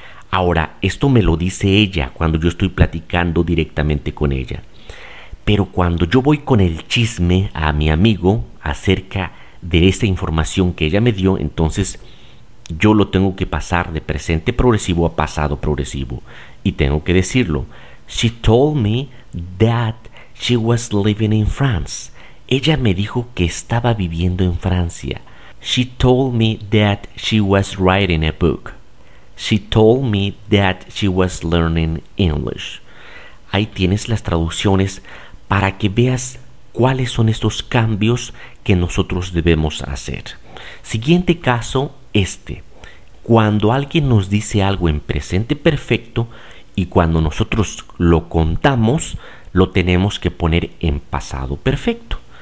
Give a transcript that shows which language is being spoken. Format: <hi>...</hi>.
<es>Ahora, esto me lo dice ella cuando yo estoy platicando directamente con ella. Pero cuando yo voy con el chisme a mi amigo acerca de esta información que ella me dio, entonces yo lo tengo que pasar de presente progresivo a pasado progresivo. Y tengo que decirlo.</es> <en>She told me that she was living in France.</en> <es>Ella me dijo que estaba viviendo en Francia.</es> <en>She told me that she was writing a book. She told me that she was learning English.</en> <es>Ahí tienes las traducciones para que veas cuáles son estos cambios que nosotros debemos hacer. Siguiente caso, este. Cuando alguien nos dice algo en presente perfecto y cuando nosotros lo contamos, lo tenemos que poner en pasado perfecto.</es>